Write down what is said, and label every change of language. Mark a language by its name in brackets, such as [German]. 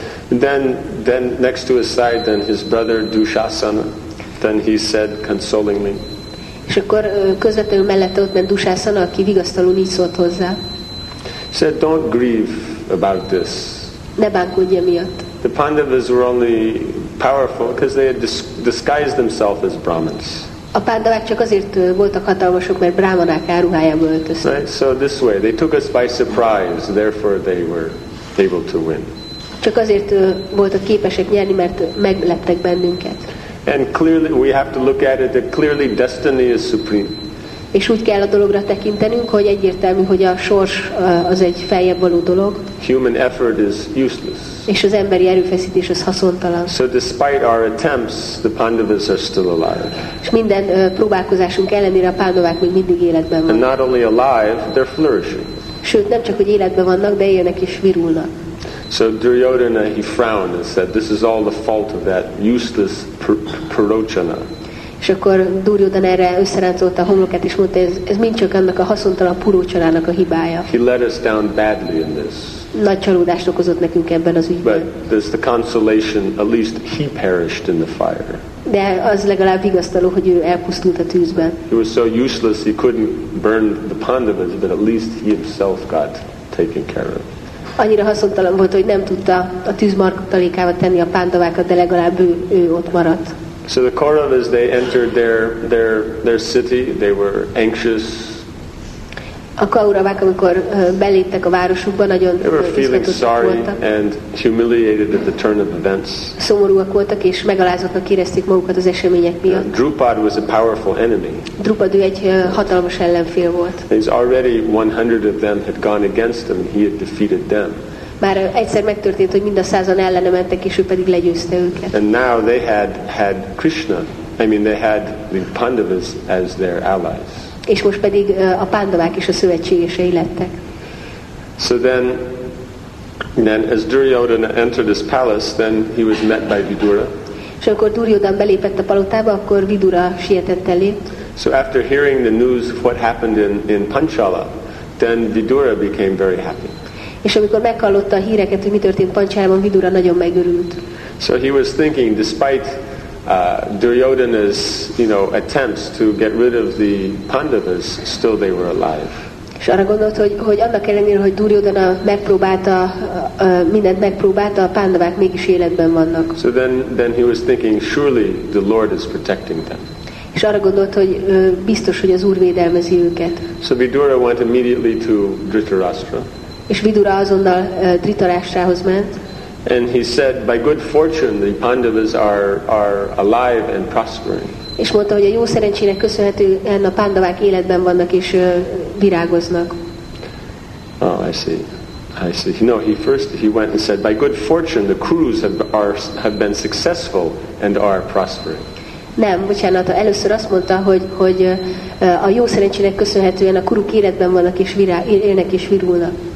[English] Then next to his side, then his brother Dushasana, then he said consolingly. [Hungarian] És akkor közvetlenül mellette ott ment Dushasana, aki vigasztalul így szólt hozzá. [English] Said, don't grieve about this. [Hungarian] Ne bánkodj emiatt. [English] The Pandavas were only powerful because they had disguised themselves as Brahmins. [Hungarian] A pándavák csak azért voltak hatalmasok, mert brámanák áruhájába öltöztek. [English] Right? So this way, they took us by surprise, therefore they were able to win. [Hungarian] Csak azért voltak képesek nyerni, mert megleptek bennünket. [English] And clearly, we have to look at it that clearly destiny is supreme. [Hungarian] És úgy kell a dologra tekintenünk, hogy egyértelmű, hogy a sors az egy feljebb való dolog. [English] Human effort is useless. [Hungarian] És az emberi erőfeszítés az haszontalan. [English] So despite our attempts, the Pandavas are still alive. [Hungarian] És minden próbálkozásunk ellenére a pándavák még mindig életben vannak. [English] And not only alive, they're flourishing. [Hungarian] Sőt, nem csak hogy életben vannak, de élnek és virulnak. [English] So Duryodhana, he frowned and said, this is all the fault of that useless Purochana. [Hungarian] És akkor Duryodhana erre összeráncolta a homlokát, és mondta, ez mind csak annak a haszontalan Purochanának a hibája. [English] He let us down badly in this. [Hungarian] Nagy csalódást okozott nekünk ebben az ügyben. [English] But there's the consolation, at least he perished in the fire. [Hungarian] De az legalább vigasztaló, hogy ő elpusztult a tűzben. [English] He was so useless, he couldn't burn the Pandavas, but at least he himself got taken care of. [Hungarian] Annyira haszontalan volt, hogy nem tudta a tűzmarkotalékába tenni a pándavákat, de legalább ő ott maradt. [English] So the Kauravas, they entered their city, they were anxious. [Hungarian] A Kauravák, amikor beléptek a városukba, nagyon izgatottak voltak. Szomorúak voltak, és megalázottnak érezték magukat az események miatt. [English] Drupad was a powerful enemy. [Hungarian] Drupad, ő egy hatalmas ellenfél volt. [English] He's already 100 of them had gone against him, and he had defeated them. [Hungarian] Már egyszer megtörtént, hogy mind a 100-an ellene mentek, és ő pedig legyőzte őket. [English] And now they had Krishna, I mean they had the Pandavas as their allies. [Hungarian] És most pedig a pándavák is a szövetségesei lettek. [English] So then as Duryodhana entered his palace, then he was met by Vidura. [Hungarian] És amikor Duryodhana belépett a palotába, akkor Vidura sietett elé. [English] So after hearing the news of what happened in Panchala, then Vidura became very happy. [Hungarian] És amikor meghallotta a híreket, hogy mi történt Panchalában, Vidura nagyon megörült. [English] So he was thinking, despite Duryodhana's, you know, attempts to get rid of the Pandavas, still they were alive. [Hungarian] És arra gondolt, hogy annak ellenére, hogy Duryodhana megpróbálta, mindent megpróbálta, a Pándavák mégis életben vannak. [English] So then he was thinking, surely the Lord is protecting them. [Hungarian] És arra gondolt, hogy biztos, hogy az Úr védelmezi őket. [English] So Vidura went immediately to Dhritarashtra. [Hungarian] És Vidura azonnal Dhritarashtrához ment. [English] And he said, by good fortune, the Pandavas are alive and prospering. [Hungarian] És mondta, hogy a jó szerencsének köszönhetően a Pándavák életben vannak és virágoznak. [English] Oh, I see. No, he went and said, by good fortune, the Kurus have been successful and are prospering. [Hungarian] Nem, bocsánat, először azt mondta, hogy a jó szerencsének köszönhetően a Kuruk életben vannak és élnek és virulnak.